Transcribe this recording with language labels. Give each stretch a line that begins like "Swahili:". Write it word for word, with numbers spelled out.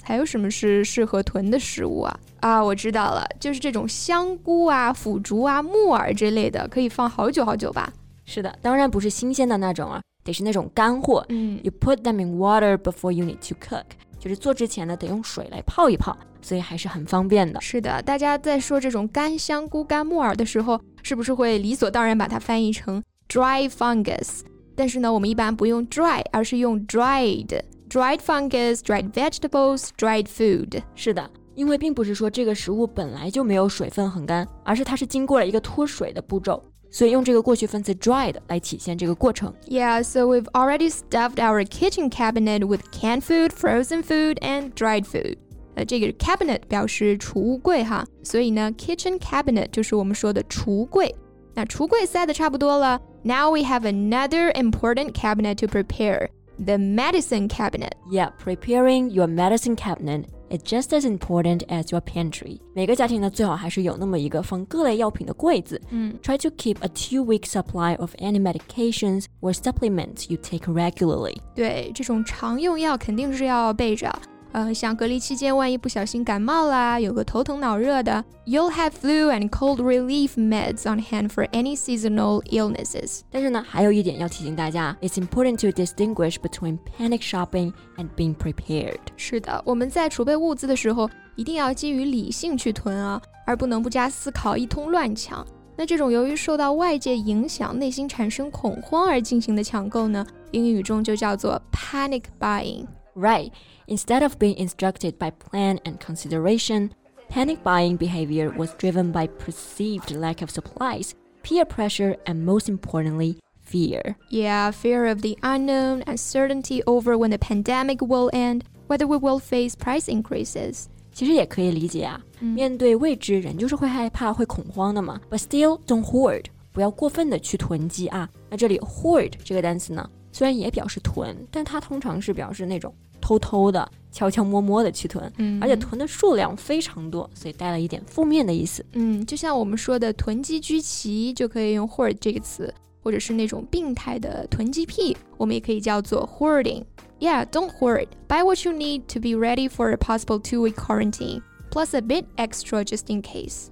Chinese: 还有什么是适合囤的食物啊？啊，我知道了，就是这种香菇啊、腐竹啊、木耳之类的，可以放好久好久吧。是的，当然不是新鲜的那种啊，得是那种干货。嗯
English: You put them in water before you need to cook.
Chinese: 就是做之前呢，得用水来泡一泡，所以还是很方便的。是的，大家在说这种干香菇、干木耳的时候，是不是会理所当然把它翻译成 dry fungus？但是呢，我们一般不用 dry， 而是用 dried.
English: Dried fungus, dried vegetables, dried food.
Chinese: 是的。因为并不是说这个食物本来就没有水分很干，而是它是经过了一个脱水的步骤，所以用这个过去分词 dried 来体现这个过程。
English: Yeah, so we've already stuffed our kitchen cabinet with canned food, frozen food, and dried food.
Chinese: 呃，这个 cabinet 表示储物柜哈，所以呢 kitchen cabinet 就是我们说的橱柜。那橱柜塞的差不多了
English: ，now we have another important cabinet to prepare, the medicine cabinet. Yeah, preparing your medicine cabinet. is just as important as your pantry.
Chinese: 每个家庭呢，最好还是有那么一个放各类药品的柜子。嗯
English: Try to keep a two-week supply of any medications or supplements you take regularly.
Chinese: 对，这种常用药肯定是要备着。呃，像隔离期间万一不小心感冒啦，有个头疼脑热的
English: You'll have flu and cold relief meds on hand for any seasonal illnesses.
Chinese: 但是呢，还有一点要提醒大家
English: It's important to distinguish between panic shopping and being prepared.
Chinese: 是的，我们在储备物资的时候一定要基于理性去囤啊，而不能不加思考一通乱抢。那这种由于受到外界影响，内心产生恐慌而进行的抢购呢，英语中就叫做 panic buying.
English: Right. Instead of being instructed by plan and consideration, panic buying behavior was driven by perceived lack of supplies, peer pressure, and most importantly, fear. Yeah, fear of the unknown, uncertainty over when the pandemic will end, whether we will face price increases.
Chinese: 其实也可以理解啊，面对未知，人就是会害怕、会恐慌的嘛。
English: But still, don't hoard.
Chinese: 不要过分的去囤积啊。那这里 hoard 这个单词呢，虽然也表示囤，但它通常是表示那种偷偷的悄悄摸摸的去囤、嗯、而且囤的数量非常多，所以带了一点负面的意思。嗯，就像我们说的囤积居奇，就可以用 hoard 这个词，或者是那种病态的囤积癖，我们也可以叫做 hoarding.
English: Yeah, don't hoard. Buy what you need to be ready for a possible two-week quarantine, plus a bit extra just in case.